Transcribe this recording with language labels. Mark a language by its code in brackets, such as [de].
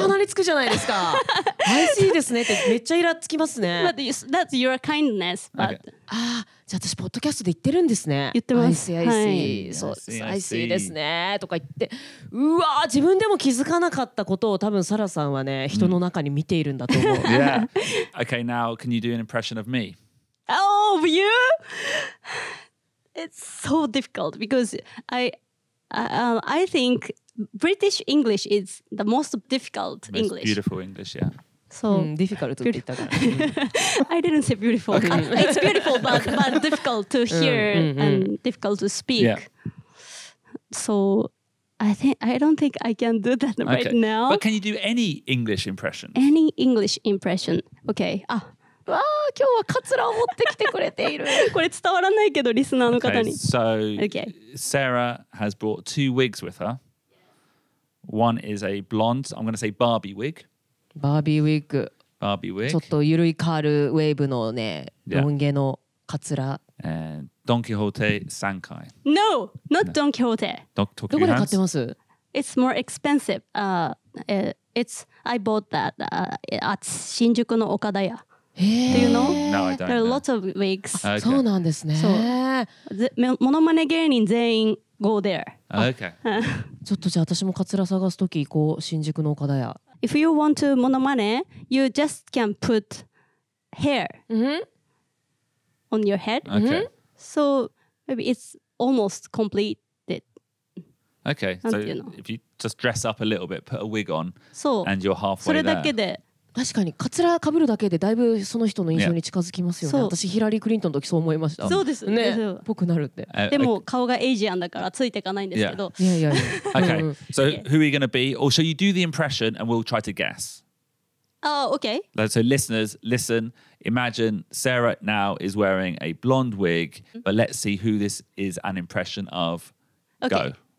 [ja] 絶対鼻につくじゃないですか [en] I see [ja] ですねってめっちゃイラつきますね [en] But that's your kindness but、okay. [ja] あじゃあ私ポッドキャストで言ってるんですね言ってます [en] I see I see、 [ja] はい、そう [en] I see [ja] ですねとか言ってうわ自分でも気づかなかったことを多分サラさんはね人の中に見ているんだと思う、 mm. [en] Yeah Okay now can you do an impression of me? Oh of you? It's so difficult because I I think British English is the most difficult most English. Beautiful English, yeah. So difficult to hear. I didn't say beautiful. Okay. It's beautiful, but difficult to hear and difficult to speak. Yeah. So I don't think I can do that right now. But can you do any English impression? Any English impression? Okay. Ah. [ja] わあ、今日はカツラを持ってきてくれている。これ伝わらないけど、リスナーの方に。 [en] Okay, so, Sarah has brought two wigs with her. One is a blonde, I'm going to say Barbie wig. Barbie wig. Barbie wig. [ja] ちょっとゆるいカールウェーブのね、ロン毛のカツラ。 [en] And Don Quixote Sankai. No, not Don Quixote. [ja] どこで買ってます? [en] It's more expensive. I bought that at 新宿の岡田屋。Do you know? No, I don't. There are lots of wigs. [ja] そうなんですね。モノマネ芸人全員 [en] go there. Okay. [ja] ちょっとじゃあ私もカツラ探すとき行こう。新宿の岡田屋。 [en] If you want to モノマネ, you just can put hair on your head. Okay. So maybe it's almost completed. Okay. So if you just dress up a little bit, put a wig on, so, and you're halfway there. [ja] それだけで。確かにカツラ被るだけでだいぶその人の印象に近づきますよね、yeah. 私ヒラリー・クリントンの時そう思いましたそうですねっぽくなるってでも顔がエイジアンだからついていかないんですけど、 yeah. いやいやいや [en] OK So who are you going to be? Or shall you do the impression and we'll try to guess? OK So listeners, listen Imagine Sarah now is wearing a blonde wig But let's see who this is an impression of Go